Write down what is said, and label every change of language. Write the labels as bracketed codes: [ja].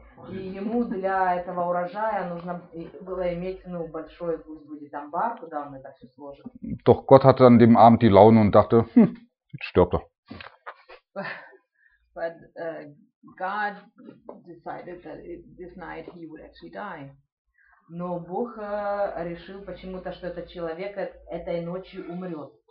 [ru] И ему для этого урожая нужно было иметь ну большой, пусть будет амбар, куда он это все сложит. [de] Doch Gott hatte an dem Abend die Laune und dachte, jetzt stirbt er. [en] But God decided that this night he would actually die. [ru] Но Бог решил почему-то, что этот человек этой ночью умрет.